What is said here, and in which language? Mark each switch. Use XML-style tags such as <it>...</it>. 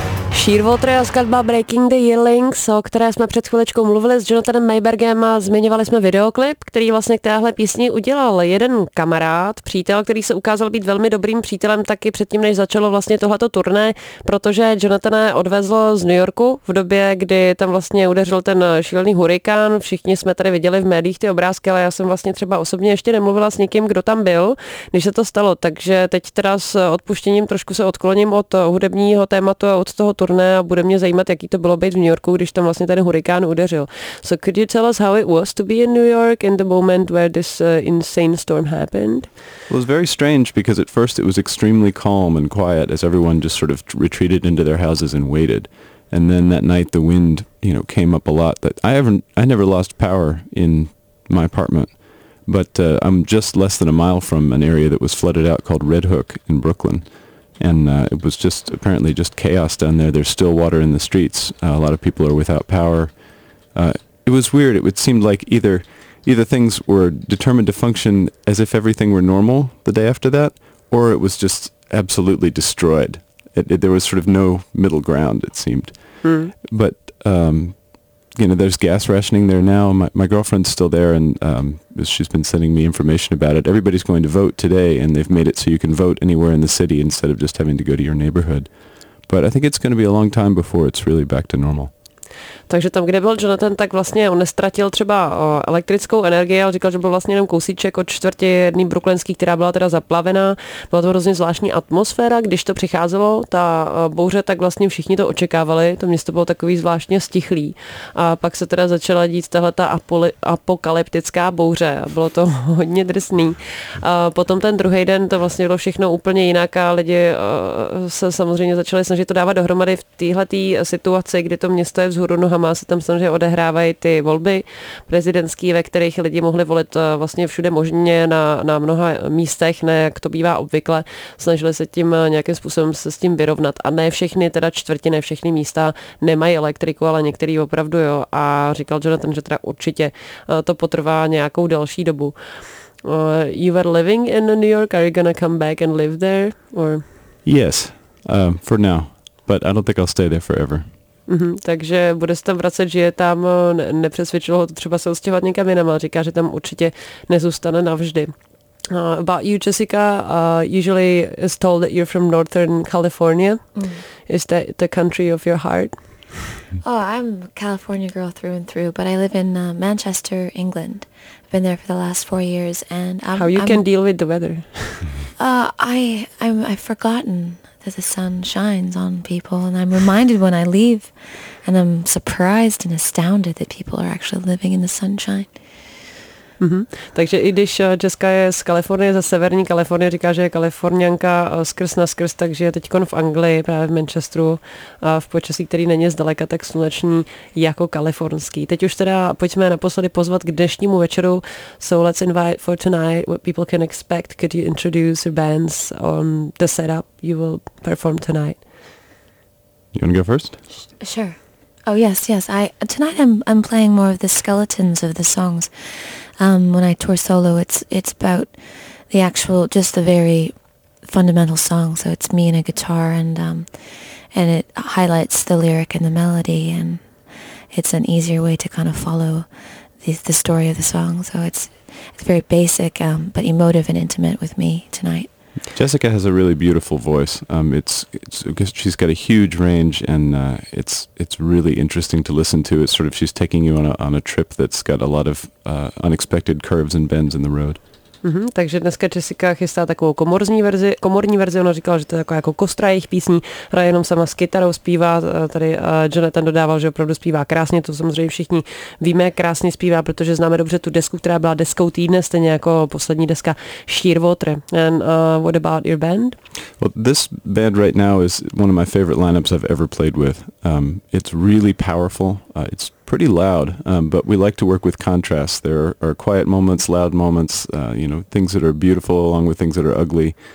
<cs>Sheerwater a skladba Breaking the Earlings, o které jsme před chvilečkou mluvili s Jonathanem Maybergem, a zmiňovali jsme videoklip, který vlastně k téhle písni udělal jeden kamarád, přítel, který se ukázal být velmi dobrým přítelem taky předtím, než začalo vlastně tohleto turné, protože Jonathana odvezl z New Yorku v době, kdy tam vlastně udeřil ten šílený hurikán. Všichni jsme tady viděli v médiích ty obrázky, ale já jsem vlastně třeba osobně ještě nemluvila s nikým, kdo tam byl, než se to stalo. Takže teď teda s odpuštěním trošku se odkloním od hudebního tématu a od toho turné a bude mě zajímat, jaký to bylo být v New Yorku, když tam vlastně ten hurikán udeřil.</cs> <en>So could you tell us how it was to be in New York in the moment where this insane storm happened? It was very strange because at first it was extremely calm and quiet as everyone just sort of retreated into their houses and waited. And then that night the wind, you know, came up a lot. That I never lost power in my apartment, but I'm just less than a mile from an area that was flooded out called Red Hook in Brooklyn. And it was just apparently just chaos down there. There's still water in the streets. A lot of people are without power. It was weird. It seemed like either things were determined to function as if everything were normal the day after that, or it was just absolutely destroyed. There was sort of no middle ground, it seemed. Mm. But, you know, there's gas rationing there now. My girlfriend's still there, and she's been sending me information about it. Everybody's going to vote today, and they've made it so you can vote anywhere in the city instead of just having to go to your neighborhood. But I think it's going to be a long time before it's really back to normal.</en> <cs>Takže tam, kde byl Jonathan, tak vlastně on neztratil třeba elektrickou energii, ale říkal, že byl vlastně jenom kousíček od čtvrtě jedný brooklynský, která byla teda zaplavená. Byla to hrozně zvláštní atmosféra, když to přicházelo, ta bouře, tak vlastně všichni to očekávali, to město bylo takový zvláštně stichlý. A pak se teda začala dít tahleta apokalyptická bouře, bylo to hodně drsný. A potom ten druhý den to vlastně bylo všechno úplně jinak a lidi se samozřejmě začali snažit to dávat dohromady v téhletý situaci, kdy to město je vzhůru nohama se tam samozřejmě odehrávají ty volby prezidentské, ve kterých lidi mohli volit vlastně všude možně na mnoha místech, ne jak to bývá obvykle. Snažili se tím nějakým způsobem se s tím vyrovnat. A ne všechny, teda čtvrtiny, všechny místa nemají elektriku, ale některý opravdu jo. A říkal Jonathan, že teda určitě to potrvá nějakou další dobu.</cs> <en>You were living in New York. Are you gonna come back and live there? Or yes, for now. But I don't think I'll stay there forever. Mm-hmm.</en> <cs>Takže bude se tam vracet, že je tam nepřesvědčilo ho to třeba se odstěhovat někam jinam, ale říká, že tam určitě nezůstane navždy.</cs> <en>About you, Jessica, usually is told that you're from Northern California. Mm. Is that the country of your heart? Oh, I'm a California girl through and through, but I live in Manchester, England. I've been there for the last 4 years, and How can you deal with the weather? I've forgotten that the sun shines on people, and I'm reminded when I leave, and I'm surprised and astounded that people are actually living in the sunshine. Mm-hmm.</en> <cs>Takže i když Jessica je z Kalifornie, ze severní Kalifornie, říká, že je Kalifornianka skrz na skrz, takže je teďkon v Anglii, právě v Manchesteru, v počasí, který není zdaleka tak sluneční jako kalifornský. Teď už teda pojďme naposledy pozvat k dnešnímu večeru.</cs> <en>So let's invite for tonight what people can expect. Could you introduce your bands on the setup you will perform tonight? You want to go first? Sure. Oh, yes. Tonight I'm playing more of the skeletons of the songs. When I tour solo, it's about the actual, just the very fundamental song. So it's me and a guitar, and it highlights the lyric and the melody, and it's an easier way to kind of follow the story of the song. So it's very basic, but emotive and intimate with me tonight. Jessica has a really beautiful voice. It's she's got a huge range, and it's really interesting to listen to. It's sort of she's taking you on a trip that's got a lot of unexpected curves and bends in the road.</en> <cs>Mm-hmm, takže dneska Jessica chystá takovou komorní verzi, ona říkala, že to je taková jako kostra jejich písní, hraje jenom sama s kytarou, zpívá, tady Jonathan dodával, že opravdu zpívá krásně, to samozřejmě všichni víme, krásně zpívá, protože známe dobře tu desku, která byla deskou týdne, stejně jako poslední deska Sheerwater.</cs> <en>And what about your band? Well, this band right now is one of my favorite lineups I've ever played with. It's really powerful, it's pretty loud, but we like to work with contrast. There are quiet moments, loud moments, you know, things that are beautiful along with things that are ugly.</en>